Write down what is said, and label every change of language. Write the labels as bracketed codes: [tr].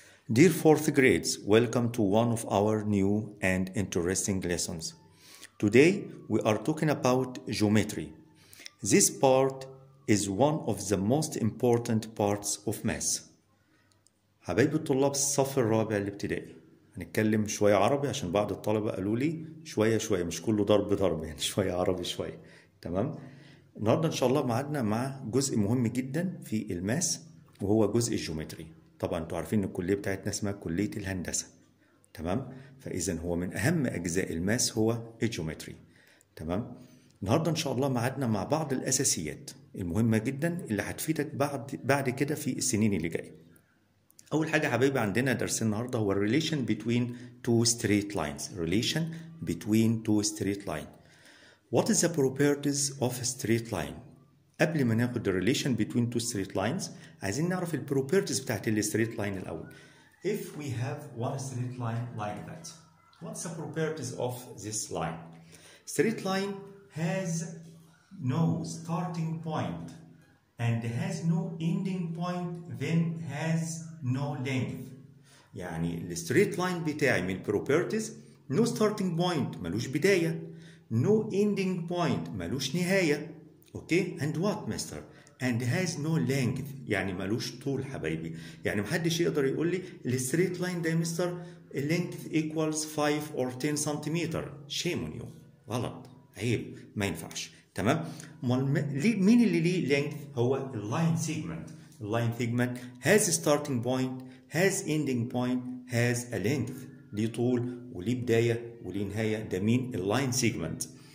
[en] Dear fourth grades, welcome to one of our new and interesting lessons. Today, we are talking about geometry. This part is one of the most important parts of math. [ar] حبايبي الطلاب الصف الرابع الابتدائي، هنتكلم شوية عربي عشان بعض الطلبة قالوا لي شوية شوية، مش كله ضرب ضرب، يعني شوية عربي شوية. تمام، النهاردة ان شاء الله معادنا مع جزء مهم جدا في الماس، وهو جزء الجيومتري. طبعا انتوا عارفين ان الكلية بتاعتنا اسمها كلية الهندسة. تمام، فاذا هو من اهم اجزاء الماس هو الجيومتري. تمام، النهاردة ان شاء الله معادنا مع بعض الاساسيات المهمة جدا اللي هتفيدك بعد كده في السنين اللي جاي. أول حاجة حبيبي عندنا درس النهاردة هو [en] relation between two straight lines. relation between two straight lines. What is the properties of a straight line؟ [ar] قبل ما ناخد [en] relation between two straight lines [ar] عايزين نعرف [en] ال properties بتاعت ال straight line الأول. If we have one straight line like that, what's the properties of this line؟ Straight line has no starting point and has no ending point, then has no length. [ar] يعني ال straight line بتاعي من properties [en] no starting point [ar] ملوش بداية، [en] no ending point [ar] ملوش نهاية، [en] okay and what master and has no length [ar] يعني ملوش طول حبيبي، يعني محدش يقدر يقول لي ال straight line ده مستر [en] length equals 5 or 10 [ar] سنتيمتر. [en] shame on you. [ar] غلط، عيب، ما ينفعش. تمام، مين اللي ليه length؟ هو line segment. [en] line segment has a starting point, has ending point, has a length. [ar] ليه طول وليه بداية وليه نهاية، ده مين؟ line segment.